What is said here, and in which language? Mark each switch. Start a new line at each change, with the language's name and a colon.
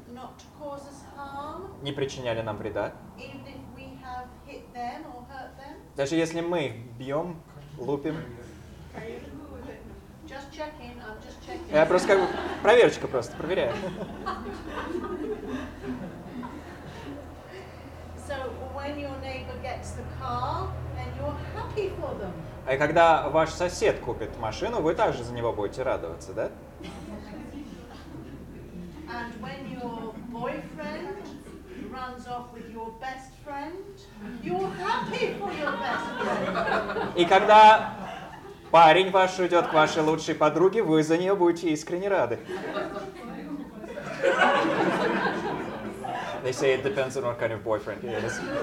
English: Not to cause us harm,
Russian: не причиняли нам вреда.
English: Even if we have hit them or hurt them.
Russian: Даже если мы их бьем, лупим.
English: Just checking, I'm just checking.
Russian: Я просто как бы, проверочка просто, проверяю.
English: So when your neighbor gets the car, then you're happy for them.
Russian: А когда ваш сосед купит машину, вы также за него будете радоваться, да?
English: And when your boyfriend runs off with your best friend, you're happy for your best friend.
Russian: И когда парень ваш уйдет к вашей лучшей подруге, вы за нее будете искренне рады.
English: They say it depends on what kind of boyfriend he is.